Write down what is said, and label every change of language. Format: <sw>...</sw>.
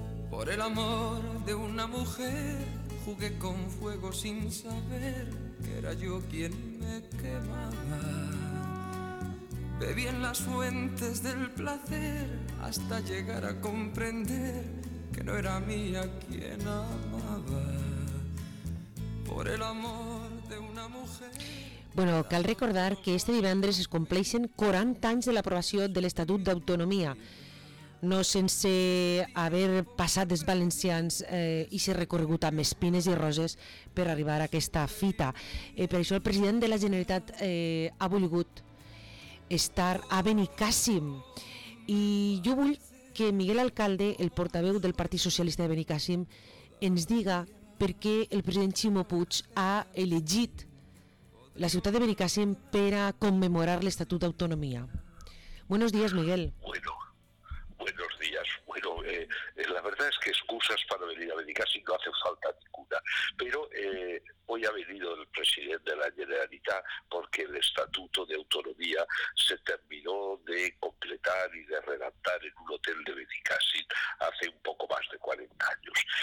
<es>Por el amor de una mujer jugué con fuego sin saber que era yo quien me quemaba. Bebí en las fuentes del placer hasta llegar a comprender que no era mía quien amaba. Por el amor de una mujer.</es> <ca>Bueno, cal recordar que este divendres es compleixen 40 anys de l'aprovació de l'Estatut d'Autonomia. No sense haver passat els valencians i ser recorregut amb espines i roses per arribar a aquesta fita. Per això el president de la Generalitat ha volgut estar a Benicàssim. I jo vull que Miguel Alcalde, el portaveu del Partit Socialista de Benicàssim, ens diga per què el president Ximo Puig ha elegit la ciutat de Benicàssim per a commemorar l'Estatut d'Autonomia.</ca> <es>Buenos días, Miguel. Bueno. Buenos días. Bueno, la verdad es que excusas para venir a Benicàssim no hace falta ninguna, pero hoy ha venido el presidente de la Generalitat porque el Estatuto de Autonomía se terminó de completar y de redactar en un hotel de Benicàssim hace un poco más de 40 años.</es>